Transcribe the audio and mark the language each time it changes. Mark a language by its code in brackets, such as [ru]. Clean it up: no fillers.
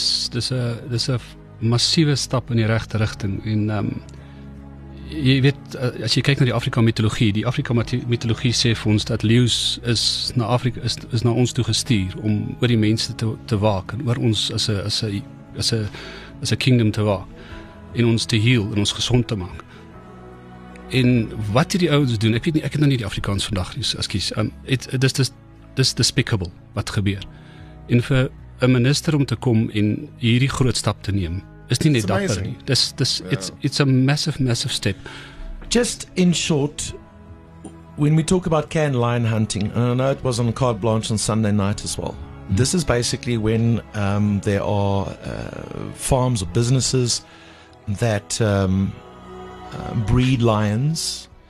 [af] Dis 'n massiewe stap in die regte rigting en jy weet, as jy kyk na die Afrika mitologie sê vir ons dat leeu's is na Afrika is na ons toe gestuur om oor die mense te waak en oor ons [en] as a kingdom [af] te waak en ons te heal en ons gesond te maak. En wat hierdie ouens doen, ek het nou nie die Afrikaans vandag nie, ekskuus. Dis despicable wat gebeur. En vir 'n minister om te kom en hierdie groot stap te neem, is nie net dapper nie. [en] It's a massive, massive step. Just in short, when we talk about canned lion hunting, and I know it was on Carte Blanche on Sunday night as well, this is basically when there are farms or businesses that breed lions.